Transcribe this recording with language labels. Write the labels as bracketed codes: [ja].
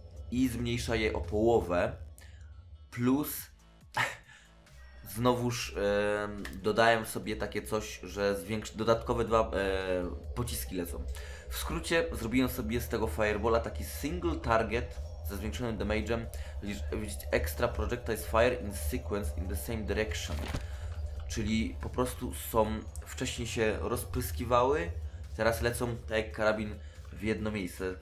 [pl] i zmniejsza je o połowę, plus znowuż dodałem sobie takie coś, że dodatkowe 2 pociski lecą. W skrócie zrobiłem sobie z tego Fireballa taki single target ze zwiększonym damage'em. [en] Extra projectiles fire in sequence in the same direction. [pl] Czyli po prostu są, wcześniej się rozpryskiwały, teraz lecą tak jak karabin w jedno miejsce.